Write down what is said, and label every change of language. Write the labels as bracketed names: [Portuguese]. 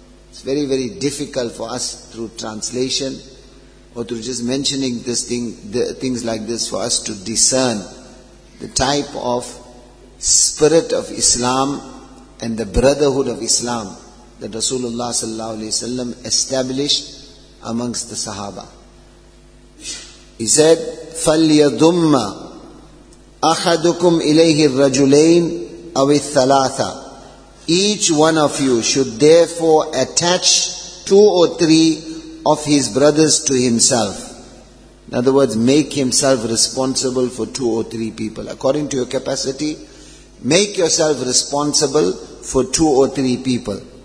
[English] It's very, very difficult for us through translation or through just mentioning this thing, things like this, for us to discern the type of spirit of Islam and the brotherhood of Islam that Rasulullah sallallahu alaihi wasallam established amongst the Sahaba. [Arabic] He said, فَلْيَضُمَّ أَحَدُكُمْ إِلَيْهِ الرَّجُلَيْنِ أَوِ الثَّلَاثَ. [English] Each one of you should therefore attach two or three of his brothers to himself. In other words, make himself responsible for two or three people. According to your capacity, make yourself responsible for two or three people.